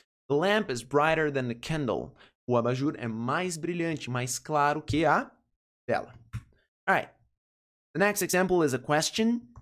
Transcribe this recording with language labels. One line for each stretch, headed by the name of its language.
English: The lamp is brighter than the candle.
Portuguese: O abajur é mais brilhante, mais claro que a vela.
English: Alright, the next example is a question.